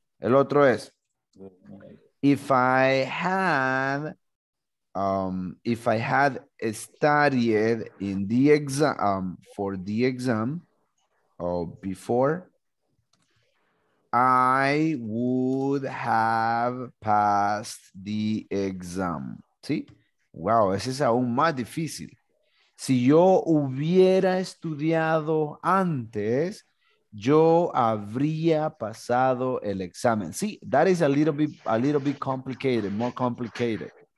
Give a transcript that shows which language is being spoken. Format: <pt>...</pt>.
<es>El otro es,</es> <en>if I had studied in the exam, for the exam, or before, I would have passed the exam.</en> <es>¿Sí? Wow, ese es aún más difícil. Si yo hubiera estudiado antes, yo habría pasado el examen.</es> <en>Sí, that is a little bit complicated, more complicated.</en>